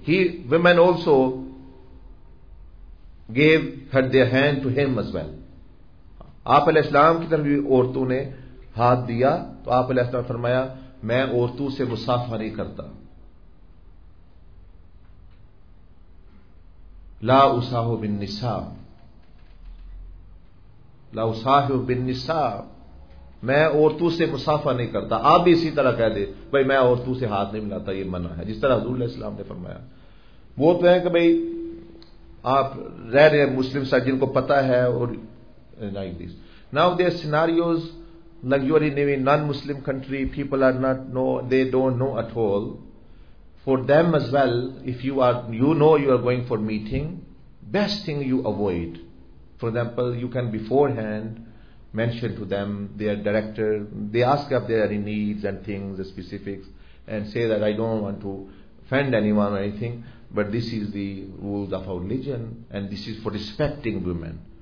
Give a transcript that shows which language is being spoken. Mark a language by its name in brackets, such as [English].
[English] He, women also gave her their hand to him as well. [Urdu] آپ علیہ السلام کی طرف بھی عورتوں نے ہاتھ دیا تو آپ علیہ السلام فرمایا میں عورتوں سے مصافحہ نہیں کرتا. [Arabic] لا اصاحب بالنساء, لا اصاحب بالنساء, [Urdu] میں عورتوں سے مصافحہ نہیں کرتا. آپ بھی اسی طرح کہہ دے بھائی میں عورتوں سے ہاتھ نہیں ملاتا, یہ منع ہے, جس طرح حضور علیہ السلام نے فرمایا. وہ تو ہے کہ بھائی آپ رہ رہے ہیں مسلم سا جن کو پتا ہے, اور [English] Like this now there scenarios like you are in non Muslim country, people are not know, they don't know at all. For them as well, if you are, you know you are going for meeting, best thing you avoid. For example, you can beforehand mention to them, their director, they ask if there are any needs and things, the specifics, and say that I don't want to offend anyone or anything, but this is the rules of our religion, and this is for respecting women.